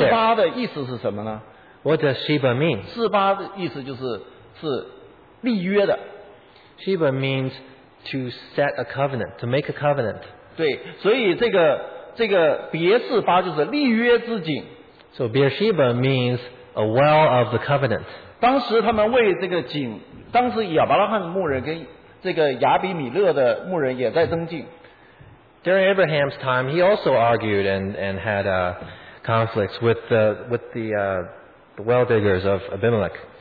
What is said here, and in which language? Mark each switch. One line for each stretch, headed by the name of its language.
Chinese: 示巴的意思是什么呢?
English: What does Sheba mean?
Chinese: 示巴的意思就是立约的。
English: Sheba means to set a covenant, to make a covenant.
Chinese: 对,所以这个别示巴就是立约之井。
English: So Beersheba means a well of the covenant.
Chinese: 当时他们为这个井, 当时亚伯拉罕的牧人跟这个亚比米勒的牧人也在争竞。
English: During Abraham's time, he also argued and had conflicts with the well diggers of Abimelech.